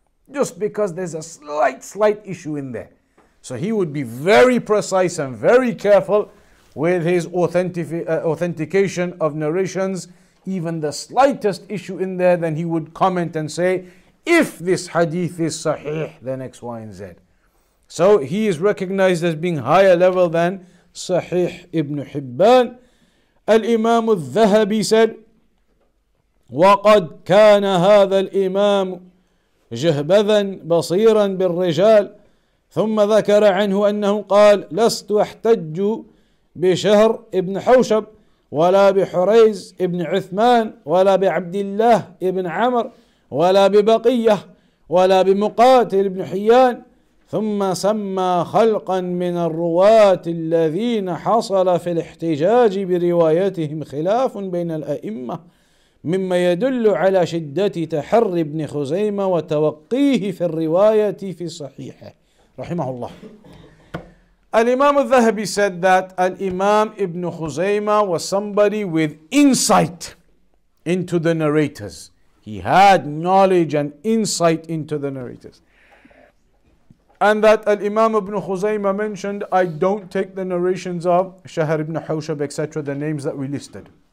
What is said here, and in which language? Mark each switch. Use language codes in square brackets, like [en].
[en] Just because there's a slight issue in there. So he would be very precise and very careful with his authentication of narrations. Even the slightest issue in there, then he would comment and say, if this hadith is Sahih, then X, Y, and Z. So he is recognized as being higher level than Sahih Ibn Hibban. [ar] الإمام الذهبي [en] said, [ar] وقد كان هذا الإمام جهبذا بصيرا بالرجال ثم ذكر عنه أنه قال لست أحتج بشهر ابن حوشب ولا بحريز ابن عثمان ولا بعبد الله ابن عمر ولا ببقية ولا بمقاتل ابن حيان ثم سمى خلقا من الرواة الذين حصل في الاحتجاج بروايتهم خلاف بين الأئمة مما يدل على شدة تحري ابن خزيمة وتوقيه في الرواية في الصحيحة رحمه الله. [en] الإمام الذهبي said that الإمام ابن خزيمة was somebody with insight into the narrators. He had knowledge and insight into the narrators. And that Al-Imam ibn Khuzayma mentioned, I don't take the narrations of Shahr ibn Hawshab, etc., the names that we listed.